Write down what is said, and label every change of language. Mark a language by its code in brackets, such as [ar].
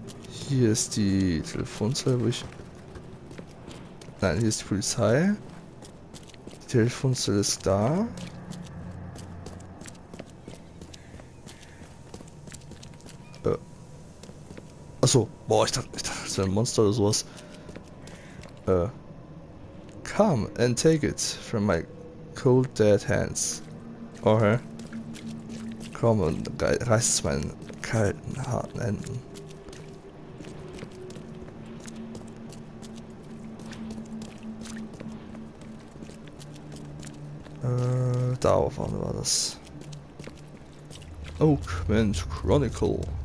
[de] Hier ist die Telefonzelle, wo ich... Nein, hier ist die Polizei. Die Telefonzelle ist da. Achso, boah, ich dachte, das wäre ein Monster oder sowas. [en] Come and take it from my cold dead hands. [de] Okay. Komm und reiß es meinen kalten, harten Händen. Da vorne war das. Oakman Chronicle.